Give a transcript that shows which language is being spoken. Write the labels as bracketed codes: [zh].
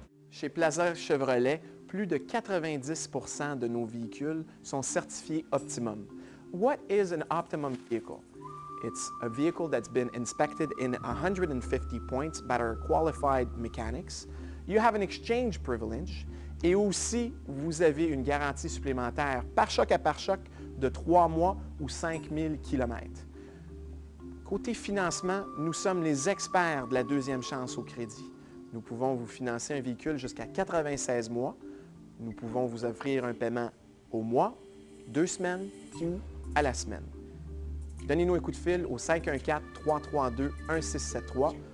[fr] Chez Plaza Chevrolet, plus de 90% de nos véhicules sont certifiés Optimum. [en] What is an optimum vehicle? It's a vehicle that's been inspected in 150 points by our qualified mechanics. You have an exchange privilege. [fr] Et aussi, vous avez une garantie supplémentaire par choc de 3 mois ou 5 000 km. Côté financement, nous sommes les experts de la deuxième chance au crédit. Nous pouvons vous financer un véhicule jusqu'à 96 mois. Nous pouvons vous offrir un paiement au mois, deux semaines ou à la semaine. Donnez-nous un coup de fil au 514-332-1673.